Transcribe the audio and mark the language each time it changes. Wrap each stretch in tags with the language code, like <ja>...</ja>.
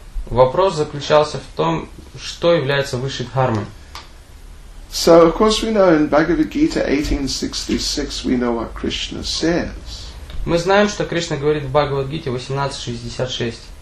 <ru>Вопрос заключался в том, что является высшей дхармой.</ru> <en>So, of course, we know in Bhagavad Gita 18.66, we know what Krishna says.</en> <ru>Мы знаем, что Кришна говорит в Бхагавад-гите 18.66.</ru>